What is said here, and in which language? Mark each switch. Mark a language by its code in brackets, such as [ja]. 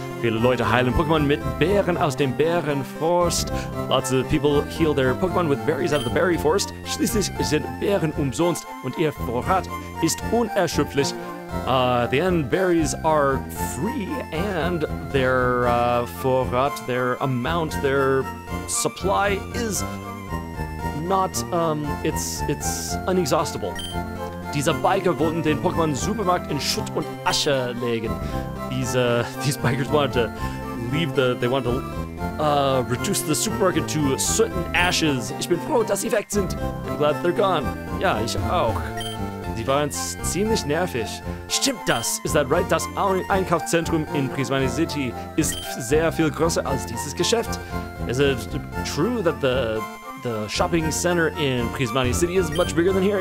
[de] Viele Leute heilen Pokémon mit Bären aus dem Bärenforst. [en] Lots of people heal their Pokémon with berries out of the berry forest. [de] Schließlich sind Bären umsonst und ihr Vorrat ist unerschöpflich. [en] The end, berries are free and their Vorrat, their amount, their supply is not, it's inexhaustible. [de] Dieser Biker wollten den Pokémon-Supermarkt in Schutt und Asche legen. [en] These bikers wanted to leave the... They wanted to reduce the supermarket to soot and ashes. [de] Ich bin froh, dass sie weg sind. [en] I'm glad they're gone. [de] Ja, ich auch. Sie waren ziemlich nervig. Stimmt das? [en] Is that right? [de] Das Einkaufszentrum in Prismane City ist sehr viel größer als dieses Geschäft. [en] Is it true that the shopping center in Prismane City is much bigger than here?